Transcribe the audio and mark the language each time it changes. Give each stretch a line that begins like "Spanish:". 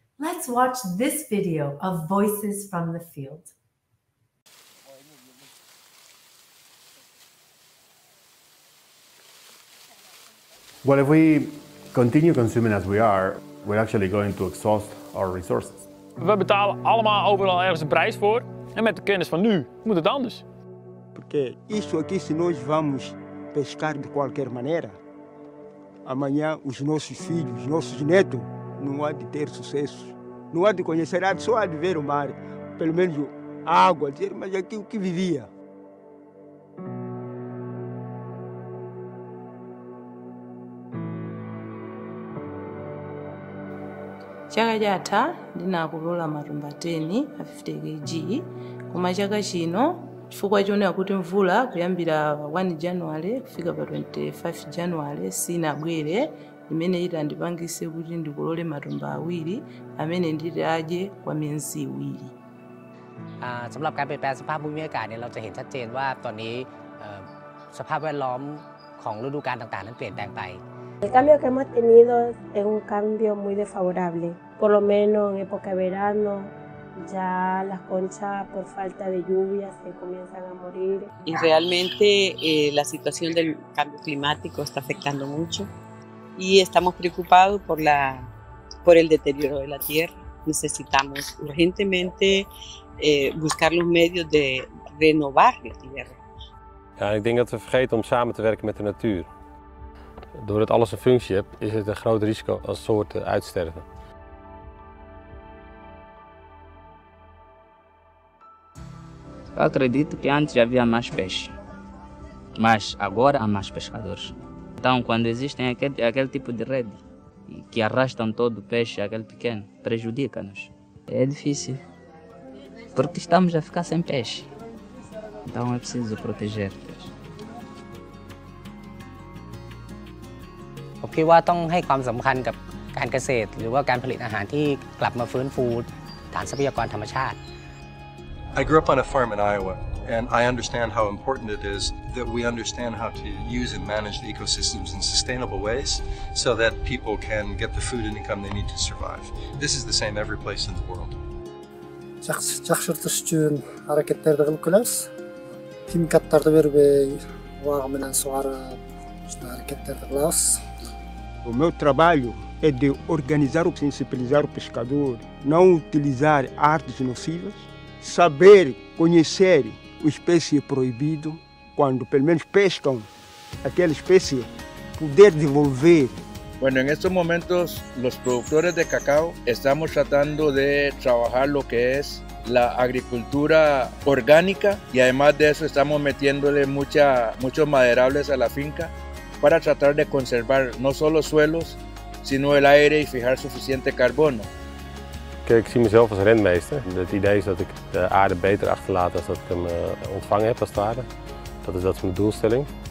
English: Let's watch this video of Voices from the Field. Well, if we continue consuming as we are, we're actually going to exhaust our resources.
Dutch: We betalen allemaal overal ergens een prijs voor. En met de kennis van nu moet het anders.
Portuguese: Porque isso aqui, se nós vamos pescar de qualquer maneira, amanhã os nossos filhos, os nossos netos, não há de ter sucesso. Não há de conhecer, só há de ver o mar, pelo menos a água, mas aqui o que vivia.
Nyanja: Chaka jata, ndina kulola marumbateni a 50 kg. Kuma chaka chino, chifukwa chone akuti mvula kuyambira 1 January kufika pa 25 January sina bwere imene ita ndipangise kuti ndikolole matumba awiri amene nditaje kwa miezi iwiri.
Thai: สำหรับการเปลี่ยนแปลงสภาพภูมิอากาศเนี่ยเราจะเห็นชัดเจนว่าตอนนี้สภาพแวดล้อมของฤดูกาลต่างๆนั้นเปลี่ยนแปลงไป
Spanish: El cambio que hemos tenido es un cambio muy desfavorable. Por lo menos en época de verano, ya las conchas por falta de lluvia se comienzan a morir. Y realmente la situación del cambio climático está afectando mucho y estamos preocupados por el deterioro de la tierra. Necesitamos urgentemente buscar los medios de renovar la tierra.
Dutch: Ja, ik denk dat we vergeten om samen te werken met de natuur. Doordat alles een functie heeft, is het een groot risico als soorten uitsterven. Ik geloof dat er eerder meer vis was. Maar nu zijn er meer vissen. Dus als er een soort red is, die alle vissen meeneemt, die kleine, prejudica ons. Het is moeilijk. Want we staan al zonder vissen. Dus we moeten ze protegeren.
English: I grew up on a farm in Iowa, and I understand how important it is that we understand how to use and manage the ecosystems in sustainable ways so that people can get the food and income they need to survive. This is the same every place in the world.
Portuguese: O meu trabalho é de organizar ou sensibilizar o pescador, não utilizar artes nocivas, saber conhecer o espécie proibido, quando pelo menos pescam aquela espécie, poder devolver.
Spanish: Bueno, en estos momentos, los productores de cacao estamos tratando de trabajar lo que es la agricultura orgánica y además de eso estamos metiéndole muchos maderables a la finca. Para tratar de conservar no solo suelos, sino el aire y fijar suficiente carbono.
Dutch: Ik zie mezelf als rentmeester. Het idee is dat ik de aarde beter achterlaat als dat ik hem ontvangen heb als het ware. Dat is mijn doelstelling.